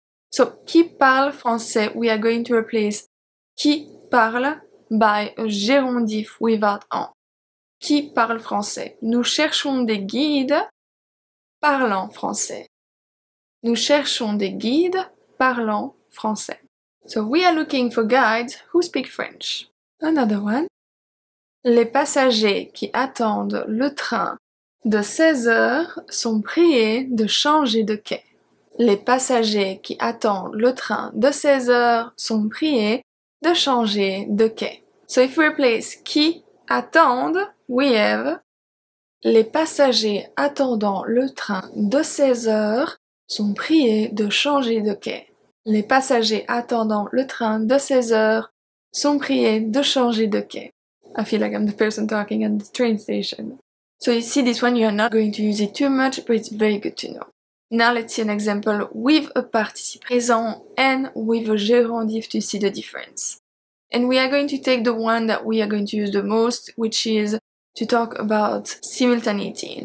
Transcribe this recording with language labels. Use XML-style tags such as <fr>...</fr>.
<en>So,</en> <fr>qui parle français,</fr> <en>we are going to replace</en> <fr>qui parle</fr> <en>by a gérondif without en.</en> <fr>Qui parle français? Nous cherchons des guides parlant français. Nous cherchons des guides parlant français.</fr> <en>So, we are looking for guides who speak French. Another one.</en> <fr>Les passagers qui attendent le train de 16h sont priés de changer de quai. Les passagers qui attendent le train de 16h sont priés de changer de quai.</fr> <en>So if we replace</en> <fr>qui attendent,</fr> <en>we have</en> <fr>les passagers attendant le train de 16h sont priés de changer de quai. Les passagers attendant le train de 16h sont priés de changer de quai.</fr> <en>I feel like I'm the person talking at the train station. So you see this one, you are not going to use it too much, but it's very good to know. Now let's see an example with a participe present and with a gérondif to see the difference. And we are going to take the one that we are going to use the most, which is to talk about simultaneity.</en>